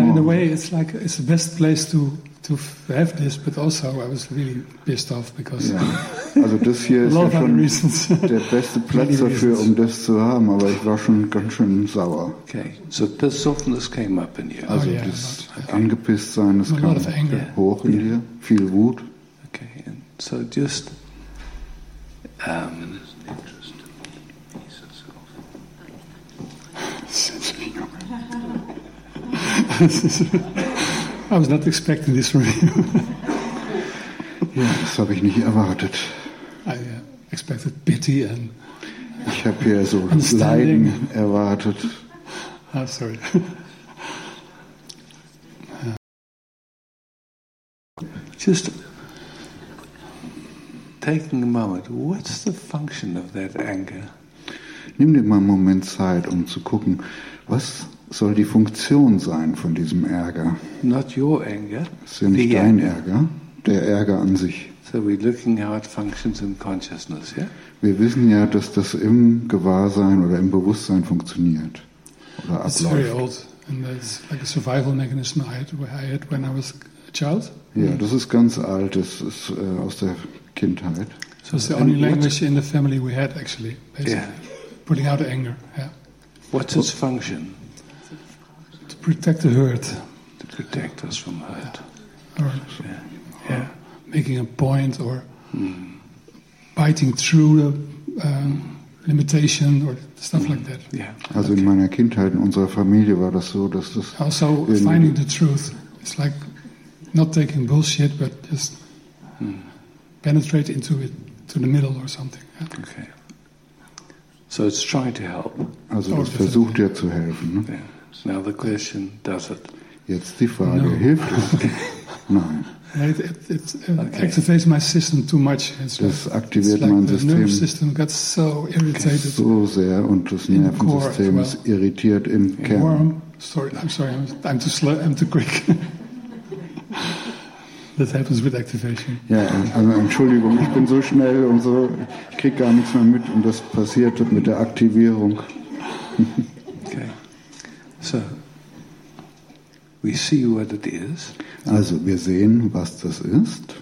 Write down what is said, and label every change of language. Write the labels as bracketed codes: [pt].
[en] in a way, it's the best place to have this, but also I was really pissed off because. Yeah. [de] Also das hier ist ja schon reasons. Der beste Platz dafür, um das zu haben, aber ich war schon ganz schön sauer. [en] Okay, so this softness came up in you. [de] Also yeah, das angepisst sein, das kam hoch in dir, viel Wut. [en] Okay, and so just. I was not expecting this from you. [de] Ja, das habe ich nicht erwartet. [en] I expected pity and [de] ich habe hier so Leiden erwartet. [en] Ah, oh, sorry. Just taking a moment, what's the function of that anger? [de] Nimm dir mal einen Moment Zeit, um zu gucken, was soll die Funktion sein von diesem Ärger? [en] Not your anger. [de] Es ist ja nicht dein Ärger, der Ärger an sich. [en] So we're looking how it functions in consciousness, yeah? [de] Wir wissen ja, dass das im Gewahrsein oder im Bewusstsein funktioniert oder abläuft. [en] It's very old, and it's like a survival mechanism I had when I was a child. [de] Ja, das ist ganz alt, das ist aus der Kindheit. [en] So it's the only language in the family we had, actually, basically. Yeah. Putting out anger, yeah. What's its function? To protect the hurt. To protect us from hurt. Yeah. Or making a point, or biting through the limitation, or stuff like that. Yeah. [de] Also okay. In meiner Kindheit, in unserer Familie war das so, dass das... [en] Also finding the truth. It's like not taking bullshit, but just penetrate into it, to the middle or something. Yeah. Okay. So it's trying to help. [de] Also es versucht ja zu helfen. Ne? [en] Yeah. Now the question, does it? [de] Jetzt die Frage, no. Hilft es? Nein. [en] It activates my system too much. It's [de] das aktiviert like mein System. [en] The nervous system got so irritated. [de] So sehr und das Nervensystem ist irritiert im Kern. [en] Warm. Sorry, I'm sorry, I'm too slow, I'm too quick. That happens with activation. [de] Ja, also Entschuldigung, ich bin so schnell und so, ich kriege gar nichts mehr mit und das passiert mit der Aktivierung. [en] Okay. So, we see what it is. [de] Also, wir sehen, was das ist.